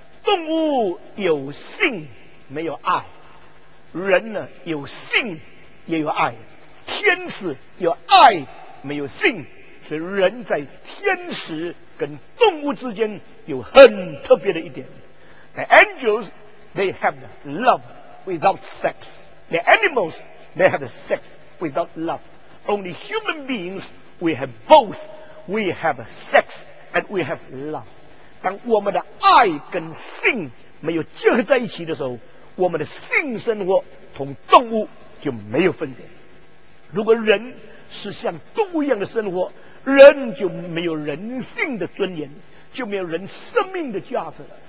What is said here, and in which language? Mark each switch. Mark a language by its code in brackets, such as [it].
[zh] 动物有性没有爱，人呢有性也有爱，天使有爱没有性，所以人在天使跟动物之间有很特别的一点。 [en] The angels they have love without sex, the animals they have sex without love, only human beings we have both, we have sex and we have love。 [zh] 当我们的爱跟性没有结合在一起的时候，我们的性生活同动物就没有分别。如果人是像动物一样的生活，人就没有人性的尊严，就没有人生命的价值了。